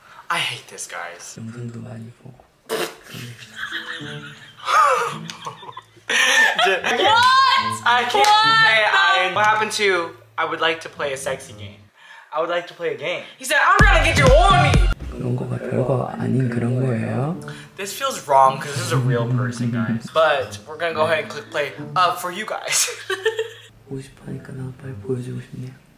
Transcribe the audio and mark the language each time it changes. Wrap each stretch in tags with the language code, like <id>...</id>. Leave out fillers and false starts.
<en>I hate this, guys. What? I can't say I. What happened to I would like to play a sexy game? I would like to play a game. He said, I'm trying to get you horny.</en> <ko>그런 거가 별거 아닌 그런 거예요.</ko> <en>This feels wrong because this is a real person, guys. But we're gonna go ahead and click play for you guys.</en> <ko>보고 싶으니까 나 빨리 보여주고 싶네요.</ko>